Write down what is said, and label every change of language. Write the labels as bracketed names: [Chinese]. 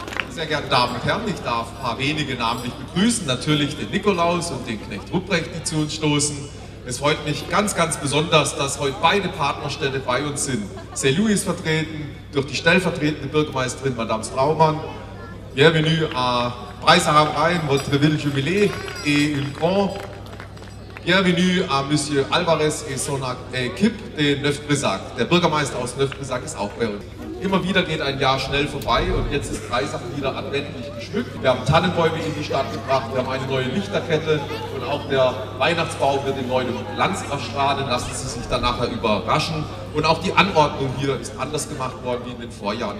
[German] Sehr geehrte Damen und Herren, ich darf ein paar wenige namentlich begrüßen, natürlich den Nikolaus und den Knecht Ruprecht, die zu uns stoßen. Es freut mich ganz, ganz besonders, dass heute beide Partnerstädte bei uns sind. St. Louis vertreten durch die stellvertretende Bürgermeisterin Madame Straumann. [French] Bienvenue à Breisach am Rhein, votre ville jubilée et une grand. Bienvenue à Monsieur Alvarez et son équipe de Neuf-Brisach. [German] Der Bürgermeister aus Neuf-Brisach ist auch bei uns. Immer wieder geht ein Jahr schnell vorbei und jetzt ist Breisach wieder adventlich geschmückt. Wir haben Tannenbäume in die Stadt gebracht, wir haben eine neue Lichterkette und auch der Weihnachtsbaum wird in neuem Glanz erstrahlen. Lassen Sie sich dann nachher überraschen. Und auch die Anordnung hier ist anders gemacht worden wie in den Vorjahren.